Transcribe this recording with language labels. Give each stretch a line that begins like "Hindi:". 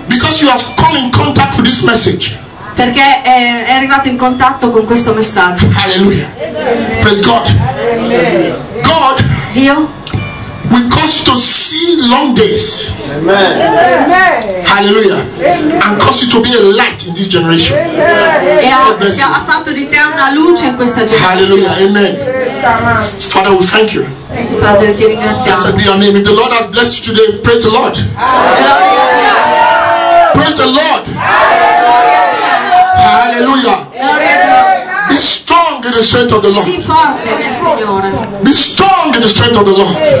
English: Because you have come in contact with this message.
Italian: Perché è arrivato in contatto con questo messaggio.
English: Hallelujah. Praise God. God,
Italian: Dio,
English: we cause to see long days. Amen. Hallelujah. And cause you to be a light in this generation. Amen.
Italian: E ha fatto di te una luce in questa generazione.
English: Hallelujah. Amen. Father, we thank you.
Italian: Padre, ti ringraziamo.
English: Blessed be your name. If the Lord has blessed you today, praise the Lord.
Italian: Gloria a Dio.
English: Praise the Lord.
Italian: Gloria a Dio. Hallelujah. Gloria a Dio.
English: Be strong in the strength of the Lord.
Italian: Sii forte nel Signore.
English: Be strong in the strength of the Lord.